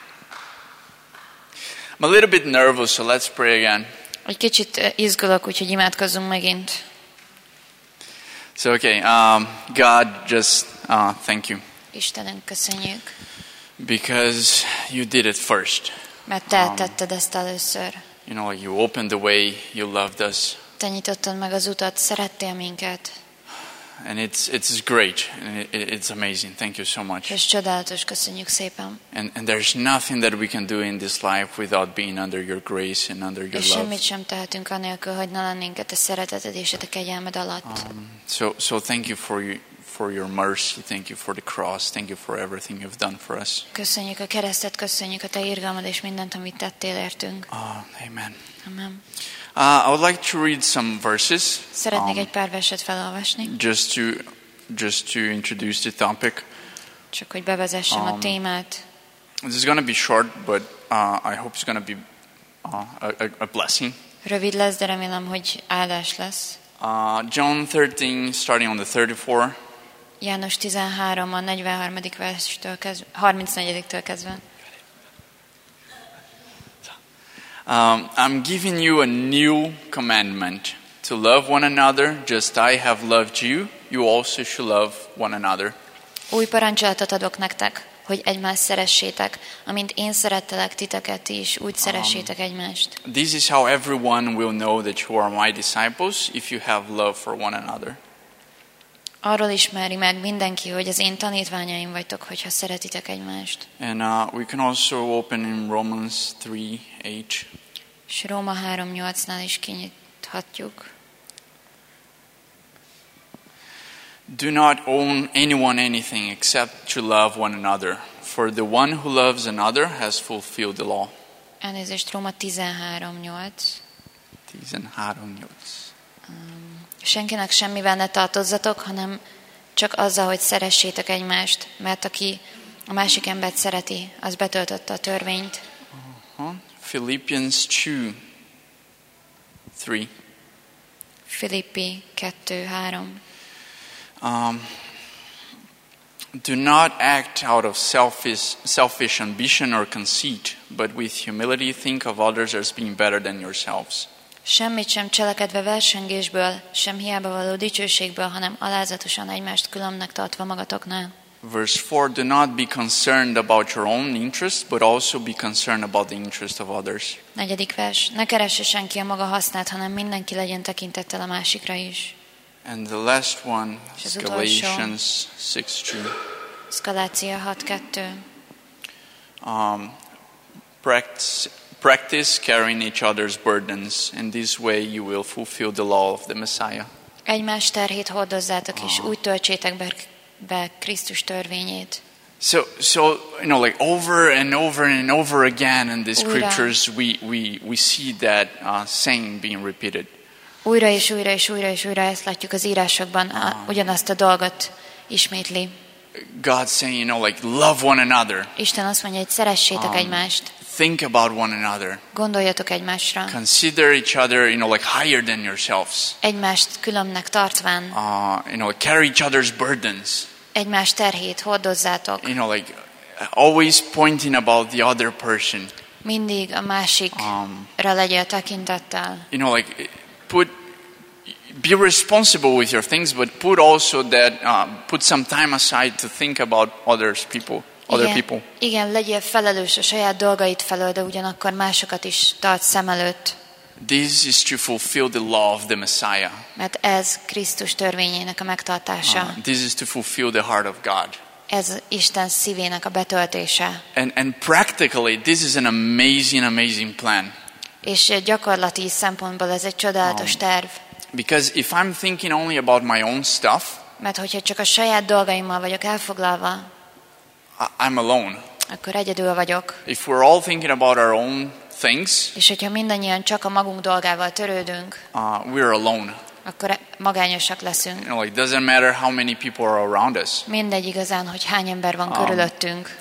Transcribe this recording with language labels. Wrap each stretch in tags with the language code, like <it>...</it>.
<en>I'm a little bit nervous, so let's pray again.</en> <hu>Egy kicsit izgulok, úgyhogy imádkozzunk megint.</hu> <en>So okay, God, just thank you.</en> <hu>Istenünk, köszönjük.</hu> <en>Because you did it first.</en> <hu>Mert te tetted ezt először.</hu> <en>You know, you opened the way, you loved us.</en> <hu>Te nyitottad meg az utat, szerettél minket.</hu> <en>And it's great, and it's amazing. Thank you so much.</en> <hu>És csodálatos, köszönjük szépen.</hu> <en>And there's nothing that we can do in this life without being under your grace and under your love.</en> <hu>És semmit sem tehetünk anélkül, hogy ne lennénk a te szereteted és a te kegyelmed alatt.</hu> <en>So thank you for your mercy. Thank you for the cross. Thank you for everything you've done for us.</en> <hu>Köszönjük a keresztet, köszönjük a te irgalmad és mindent, amit tettél értünk.</hu> <en>Amen.</en> <hu>Amen.</hu> <en>I would like to read some verses.</en> <hu>Szeretnék egy pár verset felolvasni.</hu> <en>Just to introduce the topic.</en> <hu>Csak hogy bevezessem a témát.</hu> <en>This is going to be short, but I hope it's going to be a blessing.</en> <hu>Rövid lesz, de remélem, hogy áldás lesz.</hu> <en>John 13, starting on the 34.</en> <hu>János 13, a 43. verstől kezdve, 34-től kezdve.</hu> <en>I'm giving you a new commandment to love one another, just I have loved you. You also should love one another.</en> <hu>Új parancsolatot adok nektek, hogy egymást szeressétek, amint én szerettelek titeket is, úgy szeressétek egymást.</hu> <en>This is how everyone will know that you are my disciples, if you have love for one another.</en> <hu>Arról ismeri meg mindenki, hogy az én tanítványaim vagytok, hogyha szeretitek egymást.</hu> <en>And we can also open in Romans 3:8.</en> <hu>És Róma 3:8-nál is kinyithatjuk.</hu> <en>Do not own anyone anything except to love one another. For the one who loves another has fulfilled the law.</en> <hu>Elnézést, Róma 13:8. Senkinek semmivel ne tartozzatok, hanem csak azzal, hogy szeressétek egymást, mert aki a másik embert szereti, az betöltötte a törvényt.</hu> <en>Philippians 2:3.</en> <hu>Filippi 2:3.</hu> <en>Do not act out of selfish ambition or conceit, but with humility think of others as being better than yourselves.</en> <hu>Semmit sem cselekedve versengésből, sem hiába való dicsőségből, hanem alázatosan egymást különbnek tartva magatoknál.</hu> <en>Verse 4, do not be concerned about your own interests, but also be concerned about the interests of others.</en> <hu>4. vers, ne keresse senki a maga hasznát, hanem mindenki legyen tekintettel a másikra is.</hu> <en>And the last one, Galatians 6:2.</en> <hu>Galácia 6:2.</hu> <en>Practice carrying each other's burdens. In this way you will fulfill the law of the Messiah.</en> <hu>Egymás terhét hordozzátok, és úgy töltsétek be Krisztus törvényét.</hu> <en>So you know, like over and over and over again in these scriptures, we see that saying being repeated.</en> <hu>Újra és újra és újra és újra ezt látjuk az írásokban, ugyanazt a dolgot ismétli.</hu> <en>God saying, you know, like love one another.</en> <hu>Isten azt mondja, hogy szeressétek egymást.</hu> <en>Think about one another.</en> <hu>Gondoljatok egymásra.</hu> <en>Consider each other, you know, like higher than yourselves.</en> <hu>Egymást különbnek tartván.</hu> <en>You know, carry each other's burdens.</en> <hu>Egymás terhét hordozzátok.</hu> <en>You know, like always pointing about the other person.</en> <hu>Mindig a másikra legyél tekintettel.</hu> <en>You know, like be responsible with your things, but put also that put some time aside to think about others people.</en> <hu>Igen, legyél felelős a saját dolgait felől, de ugyanakkor másokat is tart szem előtt.</hu> <en>This is to fulfill the law of the Messiah.</en> <hu>Mert ez Krisztus törvényének a megtartása.</hu> <en>This is to fulfill the heart of God.</en> <hu>Ez Isten szívének a betöltése.</hu> <en>And practically, this is an amazing plan.</en> <hu>És gyakorlati szempontból ez egy csodálatos terv.</hu> <en>Because if I'm thinking only about my own stuff,</en> <hu>mert hogyha csak a saját dolgaimmal vagyok elfoglalva,</hu> <en>I'm alone.</en> <hu>Akkor egyedül vagyok.</hu> <en>If we're all thinking about our own things,</en> <hu>és hogyha mindannyian csak a magunk dolgával törődünk,</hu> <en>we're alone.</en> <hu>Akkor magányosak leszünk.</hu> <en>You know, it doesn't matter how many people are around us.</en> <hu>Mindegy igazán, hogy hány ember van körülöttünk.</hu>